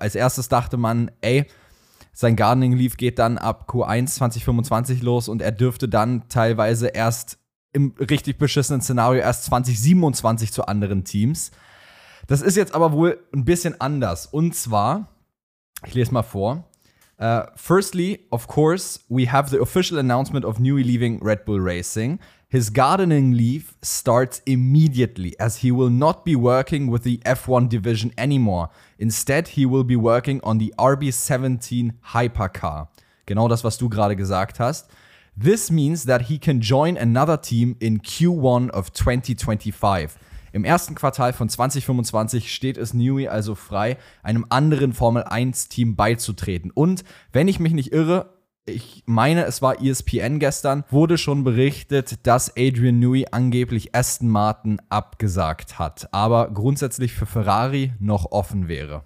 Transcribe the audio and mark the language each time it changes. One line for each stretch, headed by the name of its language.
German: Als erstes dachte man, ey, sein Gardening Leave geht dann ab Q1 2025 los und er dürfte dann teilweise erst im richtig beschissenen Szenario erst 2027 zu anderen Teams. Das ist jetzt aber wohl ein bisschen anders. Und zwar, ich lese mal vor.
English: Firstly, of course, we have the official announcement of Newey leaving Red Bull Racing. His gardening leave starts immediately, as he will not be working with the F1 division anymore. Instead, he will be working on the RB17 Hypercar.
German: Genau das, was du gerade gesagt hast.
English: This means that he can join another team in Q1 of 2025.
German: Im ersten Quartal von 2025 steht es Newey also frei, einem anderen Formel-1-Team beizutreten. Und wenn ich mich nicht irre, ich meine, es war ESPN gestern, wurde schon berichtet, dass Adrian Newey angeblich Aston Martin abgesagt hat, aber grundsätzlich für Ferrari noch offen wäre.